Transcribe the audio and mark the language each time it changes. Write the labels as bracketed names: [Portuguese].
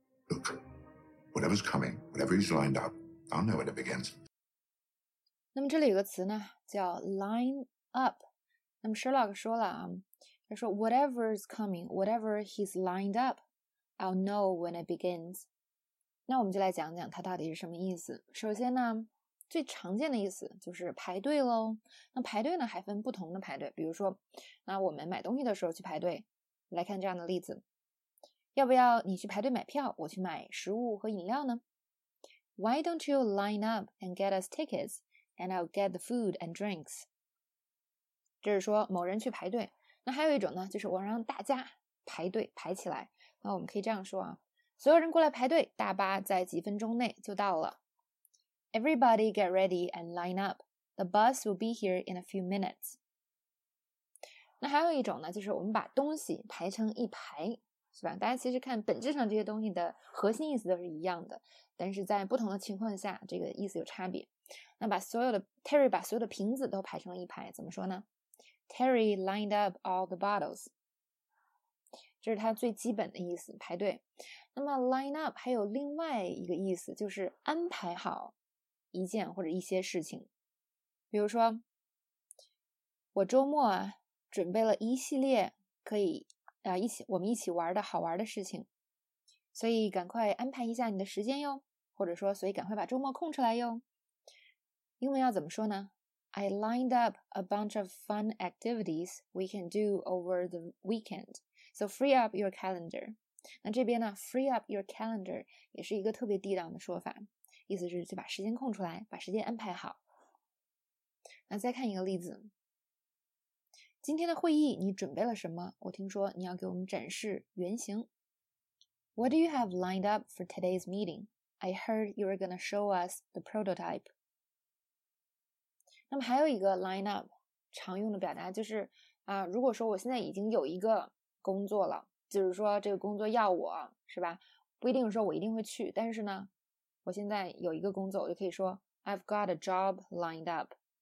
[English] Look, whatever's coming, whatever he's lined up, I'll know when it begins. [Chinese] 那么这里有个词呢，叫 line up。那么 Sherlock 说了啊，他说 [English] whatever's coming, whatever he's lined up, I'll know when it begins。 [Chinese] 那我们就来讲讲它到底是什么意思。首先呢，最常见的意思就是排队喽。那排队呢，还分不同的排队。比如说，那我们买东西的时候去排队，来看这样的例子：要不要你去排队买票，我去买食物和饮料呢？ [English] Why don't you line up and get us tickets, and I'll get the food and drinks？ [Chinese] 这是说某人去排队。那还有一种呢，就是我让大家排队排起来。那我们可以这样说啊。所有人过来排队，大巴在几分钟内就到了。 [English] Everybody get ready and line up. The bus will be here in a few minutes. [Chinese] 那还有一种呢，就是我们把东西排成一排，是吧？大家其实看本质上这些东西的核心意思都是一样的，但是在不同的情况下，这个意思有差别。那把所有的 Terry 把所有的瓶子都排成了一排，怎么说呢？ [English] Terry lined up all the bottles. [Chinese] 这是它最基本的意思，排队。那么 line up 还有另外一个意思，就是安排好一件或者一些事情。比如说，我周末啊准备了一系列可以啊一起我们一起玩的好玩的事情，所以赶快安排一下你的时间哟，或者说所以赶快把周末空出来哟。英文要怎么说呢？ [English] I lined up a bunch of fun activities we can do over the weekend. So free up your calendar. [Chinese] 那这边呢 , [English] free up your calendar [Chinese] 也是一个特别地道的说法。意思是就把时间空出来，把时间安排好。那再看一个例子。今天的会议你准备了什么？我听说你要给我们展示原型。 [English] What do you have lined up for today's meeting? I heard you were gonna show us the prototype. [Chinese] 那么还有一个 line up, 常用的表达就是啊、如果说我现在已经有一个工作了，就是说这个工作要我是吧，不一定说我一定会去，但是呢我现在有一个工作，我就可以说 [English] I've got a job lined up。